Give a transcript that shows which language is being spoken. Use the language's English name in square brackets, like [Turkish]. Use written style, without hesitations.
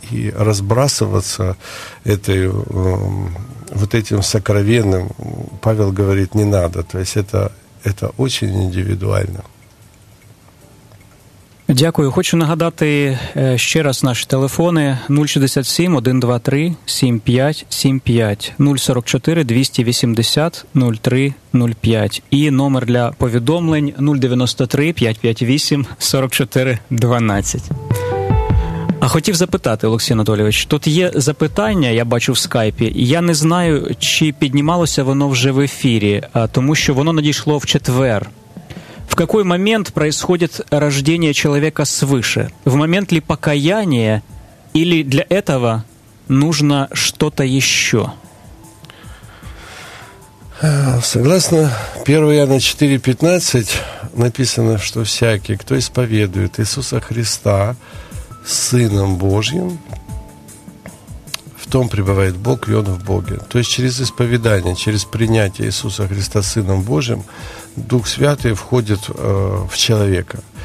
[Russian] И разбрасываться этой... вот этим сокровенным, Павел говорит, не надо. То есть это очень индивидуально. [Ukrainian] Дякую. Хочу нагадати ще раз наші телефони 067-123-75-75, 044-280-03-05 і номер для повідомлень 093-558-44-12. А хотів запитати, Олексій Анатолійович, тут є запитання, я бачу в скайпі, я не знаю, чи піднімалося воно вже в ефірі, тому що воно надійшло в четвер. В який момент відбувається рождення чоловіка свише? В момент ли покаяння, чи для цього потрібно щось ще? [Russian] Согласно 1 Иоанна 4,15 написано, [Ukrainian] що всякий, хто сповідує Ісуса Христа, [Russian] Сыном Божьим, в том пребывает Бог, и Он в Боге. То есть через исповедание, через принятие Иисуса Христа Сыном Божьим, Дух Святый входит в человека.